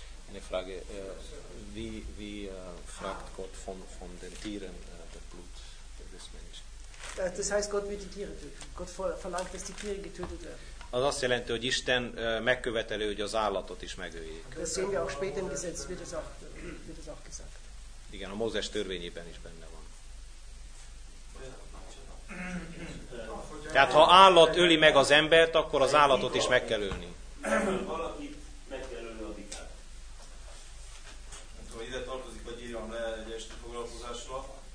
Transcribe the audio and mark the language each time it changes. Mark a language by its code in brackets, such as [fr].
[de] Eine Frage, wie fragt Gott von den Tieren das Blut des Menschen? Das heißt, Gott wird die Tiere töten. Gott verlangt, dass die Tiere getötet werden. [hu] Az azt jelenti, hogy Isten megköveteli, hogy az állatot is megöljék. [de] Das sehen wir auch später im Gesetz, wird das auch gesagt. [hu] Igen, a Mózes törvényében is benne van. Tehát ha állat öli meg az embert, akkor az állatot is meg kell ölni. Valakit meg kell ölni a bikát. Ide tartozik, hogy írjam le egy esti foglalkozásra.